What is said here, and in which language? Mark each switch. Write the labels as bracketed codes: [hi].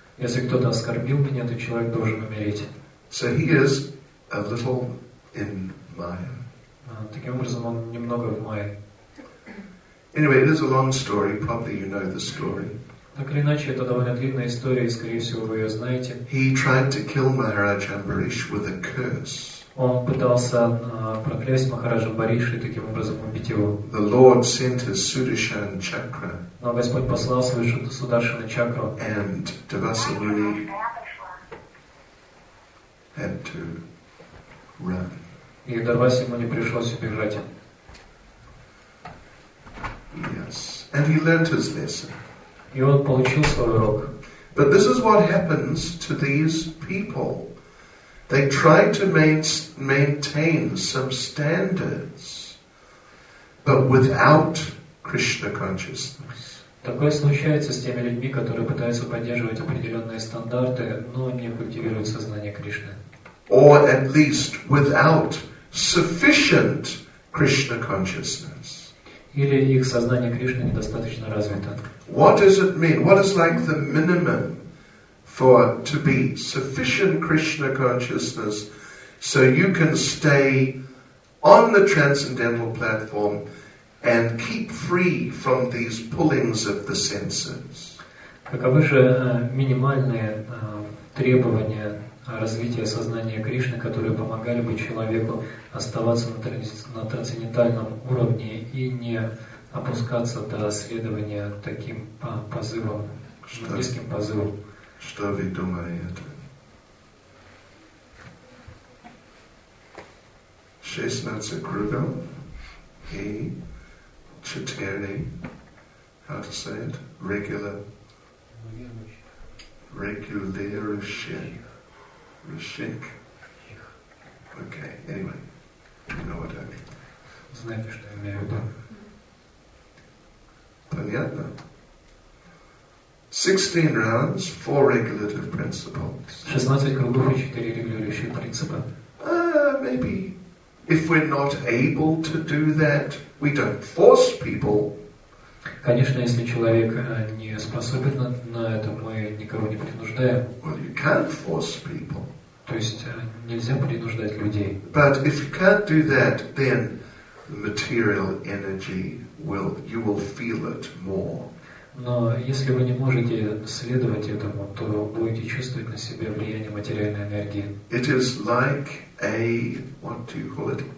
[ru] Если кто-то оскорбил меня, то человек должен умереть. [en] So he is a little in Maya. [ru] Таким образом, он немного в Майе. [en] Anyway, it is a long story. Probably you know the story. [ru] Так или иначе, это довольно длинная история, и, скорее всего, вы ее знаете. [en] He tried to kill Maharaj Ambarish with a curse. [ru] Он пытался проклясть Махараджа Амбариша и таким образом убить его. [en] The Lord sent his Sudarshan Chakra. [ru] Но Господь послал свою Сударшану Чакру. [en] And Devasamuni had to run. [ru] И Дурвасамуни пришлось убежать. [en] Yes, and he learned his lesson. [ru] И он получил свой урок. [en] But this is what happens to these people. They try to maintain some standards, but without Krishna consciousness. [ru] Такое случается с теми людьми, которые пытаются поддерживать определенные стандарты, но не культивируют сознание Кришны. [en] Or at least without sufficient Krishna consciousness. [ru] Или их сознание Кришны недостаточно развито. [en] What does it mean? What is like the minimum for to be sufficient Krishna consciousness so you can stay on the transcendental platform and keep free from these pullings of the senses? [ru] Каковы же минимальные требования развития сознания Кришны, которые помогали бы человеку оставаться на трансцендентальном уровне и не опускаться до следования таким позывам, низким позывам. Что вы думаете? [en] 16 [ru] рубел и [en] 4, how to say it, regular Rishik. Okay, anyway, you know what I mean. [ru] Знаете, что я имею в виду? Понятно? [en] 16 rounds, 4 regulative principles. [ru] 16 кругов и 4 регулирующих принципа. [en] Maybe. If we're not able to do that, we don't force people. [ru] Конечно, если человек не способен на это, мы никого не принуждаем. [en] Well, you can't force people. [ru] То есть нельзя принуждать людей. [en] But if you can't do that, then material energy will you will feel it more. [ru] Но если вы не можете следовать этому, то будете чувствовать на себе влияние материальной энергии. [en] It is like a what do you call it?